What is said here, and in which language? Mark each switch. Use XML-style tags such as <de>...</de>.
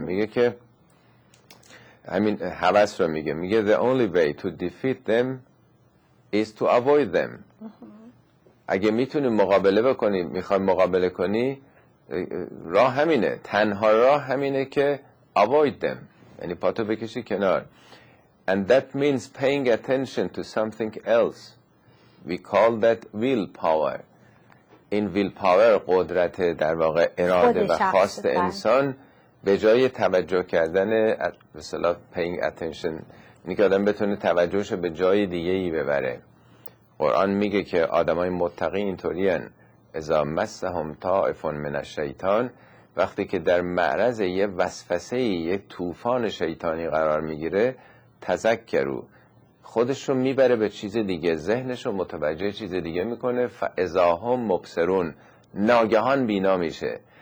<fa>میگه که همین هوس رو میگه. میگه</fa> <en>the only way to defeat them is to avoid them.</en> <fa>اگه میتونی مقابله بکنی، میخوای مقابله کنی، راه همینه. تنها راه همینه که</fa> <en>avoid them.</en> <fa>یعنی پاتو بکشی کنار.</fa> <en>And that means paying attention to something else. We call that will power.</en> <fa>این will power قدرت در واقع اراده و خواست بر. انسان به جای توجه کردن به اصطلاح</fa> <en>paying attention،</en> <fa>یعنی که آدم بتونه توجهش به جای دیگه ای ببره. قرآن میگه که آدم های متقی اینطوری هن،</fa> <ar>اذا مسهم طائف من الشیطان،</ar> <fa>وقتی که در معرض یه وسوسه، یه طوفان شیطانی قرار میگیره،</fa> <ar>تذکرو،</ar> <fa>خودش رو میبره به چیز دیگه، ذهنش رو متوجه چیز دیگه میکنه،</fa> <ar>فاذاهم مبصرون،</ar> <fa>ناگهان بینا میشه.</fa>